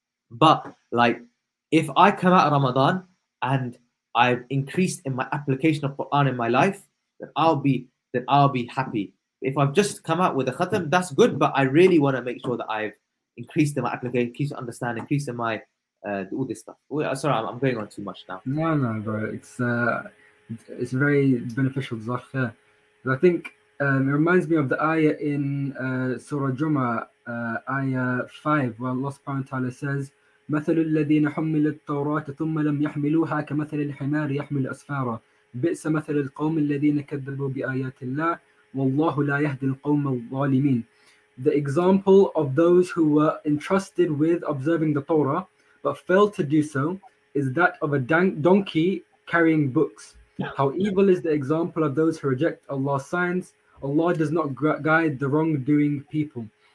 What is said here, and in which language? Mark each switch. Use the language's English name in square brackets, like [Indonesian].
[English] But like, if I come out of Ramadan and I've increased in my application of Quran in my life, then I'll be happy. If I've just come out with a khatam, that's good. But I really want to make sure that I've increased in my application, increased in understanding, increased in my all this stuff. Sorry, I'm going on too much now. No, bro. It's very beneficial. But I think it reminds me of the ayah in Surah Jummah, ayah 5, where Allah subhanahu wa ta'ala says, [Arabic] مَثَلُ الَّذِينَ حُمِّلُوا التَّوْرَاةَ ثُمَّ لَمْ يَحْمِلُوهَا كَمَثَلِ الْحِمَارِ يَحْمِلُ أَسْفَارًا بِئْسَ مَثَلُ الْقَوْمِ الَّذِينَ كَذَّبُوا بِآيَاتِ اللَّهِ وَاللَّهُ لَا يَهْدِي الْقَوْمَ الظَّالِمِينَ. [English] The example of those who were entrusted with observing the Torah but failed to do so is that of a donkey carrying books. How evil is the example of those who reject Allah's signs. Allah does not guide the wrongdoing people.